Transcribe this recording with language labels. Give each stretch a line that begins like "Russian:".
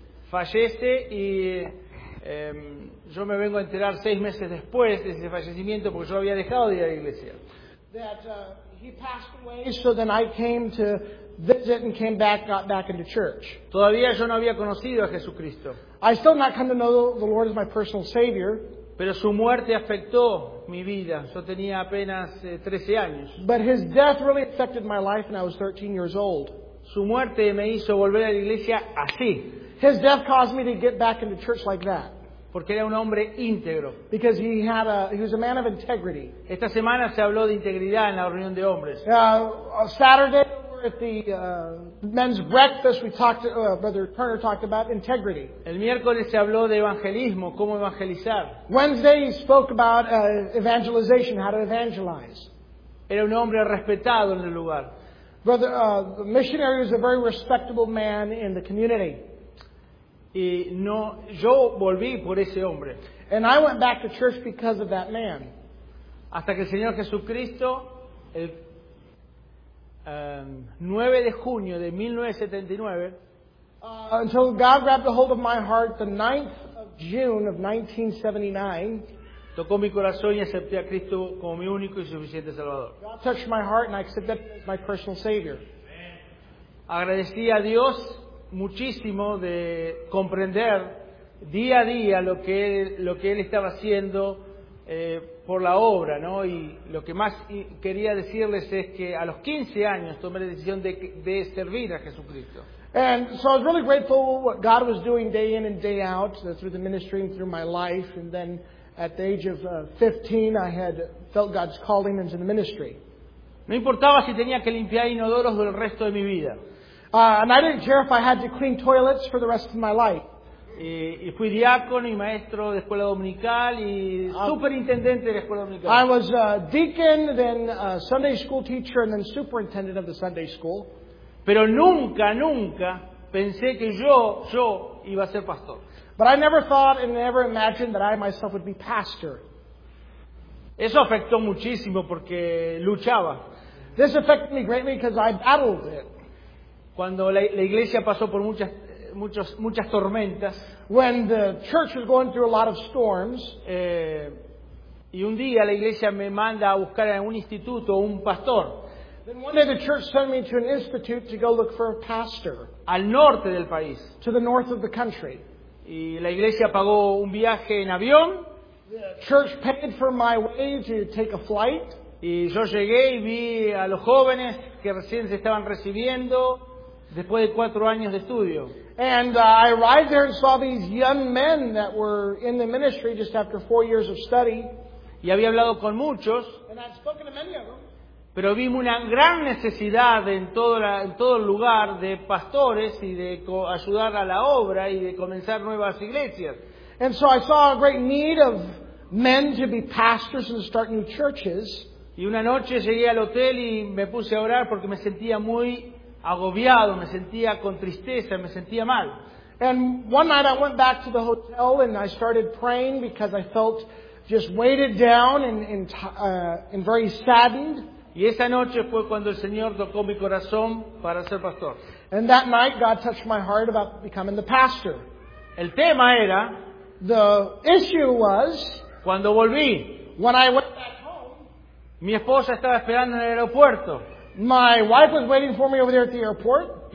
Spanish: Fallece, y yo me vengo a enterar 6 meses después de ese fallecimiento, porque yo había dejado de ir a la iglesia.
English: That he passed away, so then I came to visit and came back, got back into church.
Spanish: Todavía yo no había conocido a Jesucristo.
English: I still not come to know the Lord as my personal Savior.
Spanish: Pero su muerte afectó mi vida. Yo tenía apenas 13 años.
English: But his death really affected my life when I was 13 years old.
Spanish: Su muerte me hizo volver a la iglesia así.
English: His death caused me to get back into church like that.
Spanish: Porque era un hombre íntegro.
English: Because he was a man of integrity.
Spanish: Esta semana se habló de integridad en la reunión de hombres.
English: Saturday at the men's breakfast we talked to, Brother Turner talked about integrity.
Spanish: El miércoles se habló de evangelismo, cómo evangelizar.
English: Wednesday he spoke about evangelization, how to evangelize.
Spanish: Era un hombre respetado en el lugar.
English: Brother, the missionary was a very respectable man in the community.
Spanish: Y no, yo volví por ese hombre.
English: And I went back to church because of that man.
Spanish: Hasta que el Señor Jesucristo, el 9 de junio de 1979,
English: until God grabbed a hold of my heart the 9th of June of 1979,
Spanish: tocó mi corazón y acepté a Cristo como mi único y suficiente Salvador.
English: God touched my heart and I accepted him as my personal Savior.
Spanish: Agradecí a Dios muchísimo de comprender día a día lo que él estaba haciendo por la obra, ¿no? Y lo que más quería decirles es que a los 15 años tomé la decisión de servir a Jesucristo.
English: And so I was really grateful what God was doing day in and day out through the ministry and through my life. And then at the age of 15 I had felt God's calling into the ministry.
Spanish: No importaba si tenía que limpiar inodoros del resto de mi vida.
English: And I didn't care if I had to clean toilets for the rest of my life.
Spanish: Y fui diácono y maestro de escuela dominical y superintendente de escuela dominical.
English: I was a deacon, then a Sunday school teacher, and then superintendent of the Sunday school.
Spanish: Pero nunca, nunca pensé que yo iba a ser pastor.
English: But I never thought and never imagined that I myself would be pastor.
Spanish: Eso afectó muchísimo porque luchaba.
English: This affected me greatly because I battled it.
Spanish: Cuando la iglesia pasó por muchas tormentas.
English: When the church was going through a lot of storms,
Spanish: y un día la iglesia me manda a buscar a un instituto un pastor.
English: Then one day the church sent me to an institute to go look for a pastor.
Spanish: Al norte del país.
English: To the north of the country.
Spanish: Y la iglesia pagó un viaje en avión.
English: The church paid for my way to take a flight.
Spanish: Y yo llegué y vi a los jóvenes que recién se estaban recibiendo después de 4 años de estudio.
English: And I arrived there and saw these young men that were in the ministry just after 4 years of study.
Spanish: Y había hablado con muchos.
English: And I'd spoken to many of them.
Spanish: Pero vi una gran necesidad en todo el lugar de pastores y de ayudar a la obra y de comenzar nuevas iglesias.
English: And so I saw a great need of men to be pastors and start new churches.
Spanish: Y una noche llegué al hotel y me puse a orar porque me sentía muy agobiado, me sentía con tristeza, me sentía mal.
English: And one night I went back to the hotel and I started praying because I felt just weighted down and very saddened.
Spanish: Y esa noche fue cuando el Señor tocó mi corazón para ser pastor.
English: And that night God touched my heart about becoming the pastor.
Spanish: El tema era,
English: the issue was,
Spanish: cuando volví,
English: when I went back home,
Spanish: mi esposa estaba esperando en el aeropuerto.
English: My wife was waiting for me over there at the airport.